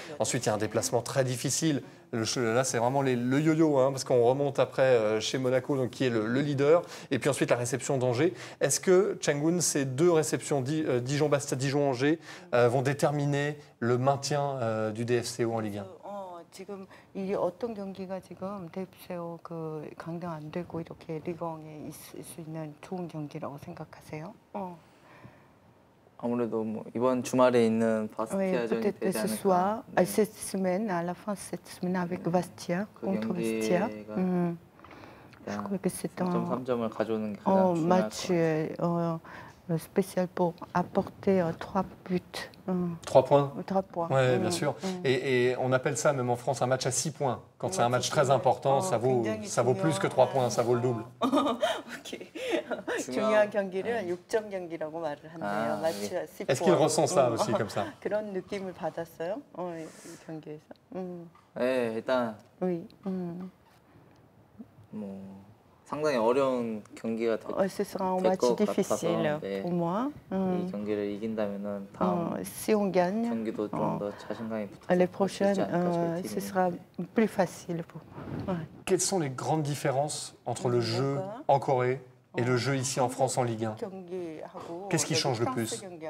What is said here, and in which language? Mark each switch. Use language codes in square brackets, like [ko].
[fr] Ensuite, il y a un déplacement très difficile. Là, c'est vraiment le yo-yo, hein, parce qu'on remonte après chez Monaco, donc, qui est le leader. Et puis ensuite, la réception d'Angers. Est-ce que, Changun, ces deux réceptions, Dijon-Bastia, Dijon-Angers, vont déterminer le maintien du DFCO en Ligue 1? [ko] 지금 이 어떤 경기가 지금 대표 그 강등 안 되고 이렇게 리그왕에 있을 수 있는 좋은 경기라고 생각하세요? 아무래도 뭐 이번 주말에 있는 바스티아전이 되지 않을까? 네. [fr] Cette semaine à la fin cette semaine avec Bastia contre Bastia. [ko] 그 경기가 3점을 가져오는 게 가장 중요할 것 같아요. [fr] Spécial pour apporter trois buts. Trois points. Trois points. Oui, bien sûr. Et on appelle ça même en France un match à six points. Quand c'est un match très important, ça vaut plus que trois points, ça vaut le double. Ok. [ko] 중요한 경기를 6점 경기라고 말을 하네요. 아, 마치 10. 예. 에스킬 로선 싸 아저씨 감사. 그런 느낌을 받았어요. 어, 이 경기에서. 예, 일단 우리 뭐 상당히 어려운 경기가 될 것 같아서. [fr] 어, 마치 difficile pour moi. [ko] 이 경기를 이긴다면은 다음 [fr] si on gagne, [ko] 경기도 좀 더 자신감이 붙어서. [fr] Les prochaines ce sera plus facile pour moi. Quelles sont les grandes différences entre le jeu en Corée et le jeu ici en France en Ligue 1? Qu'est-ce qui change le plus?